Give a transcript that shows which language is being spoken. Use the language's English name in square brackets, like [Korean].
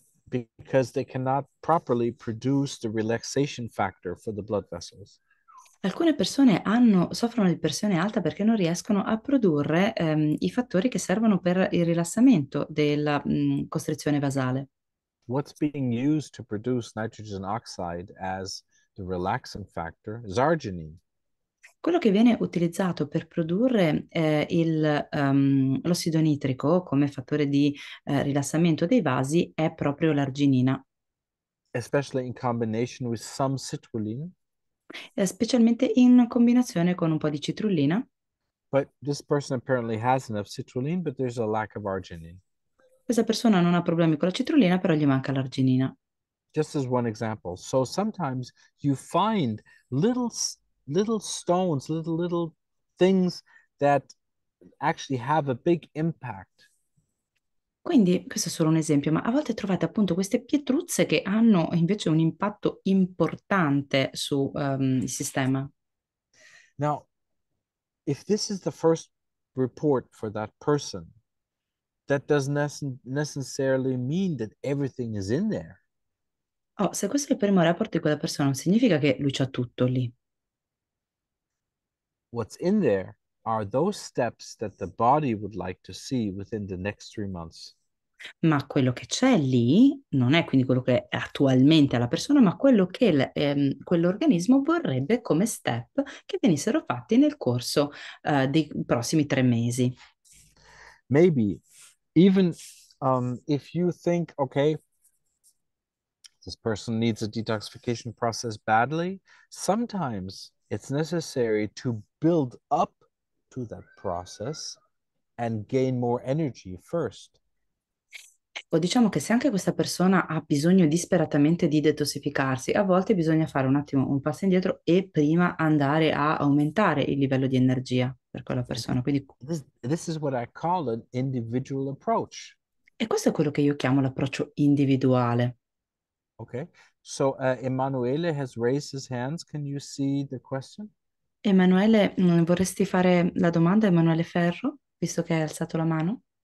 [English] Because they cannot properly produce the relaxation factor for the blood vessels. [Italian] Alcune persone soffrono di pressione alta perché non riescono a produrre i fattori che servono per il rilassamento della costrizione vasale. [English] What's being used to produce nitrogen oxide as the relaxant factor is arginine. [Italian] Quello che viene utilizzato per produrre l'ossido nitrico come fattore di rilassamento dei vasi è proprio l'arginina. [English] Especially in combination with some citrulline. [Italian] Specialmente in combinazione con un po' di citrullina. Questa [English] But this person apparently has enough citrulline, but there's a lack of arginine. [Italian] persona non ha problemi con la citrullina, però gli manca l'arginina. [English] Just as one example. So sometimes you find little stones, little things that actually have a big impact. [Italian] Quindi, questo è solo un esempio, ma a volte trovate appunto queste pietruzze che hanno invece un impatto importante su, il sistema. [English] Now, if this is the first report for that person, that doesn't necessarily mean that everything is in there. [Italian] Oh, se questo è il primo rapporto di quella persona, non significa che lui c'ha tutto lì. [English] What's in there are those steps that the body would like to see within the next 3 months. [Italian] Ma quello che c'è lì non è quindi quello che è attualmente alla persona, ma quello che quell'organismo vorrebbe come step che venissero fatti nel corso dei prossimi 3 mesi. [English] Maybe, even if you think, okay, this person needs a detoxification process badly, sometimes it's necessary to build up to that process and gain more energy first. [Italian] O diciamo che se anche questa persona ha bisogno disperatamente di detossificarsi, a volte bisogna fare un attimo un passo indietro e prima andare a aumentare il livello di energia per quella persona. Quindi, e [English] This is what I call an individual approach. [Italian] questo è quello che io chiamo l'approccio individuale. [English] Okay, so Emanuele has raised his hands. Can you see the question? [Italian] Emanuele, vorresti fare la domanda a Emanuele Ferro, visto che hai alzato la mano?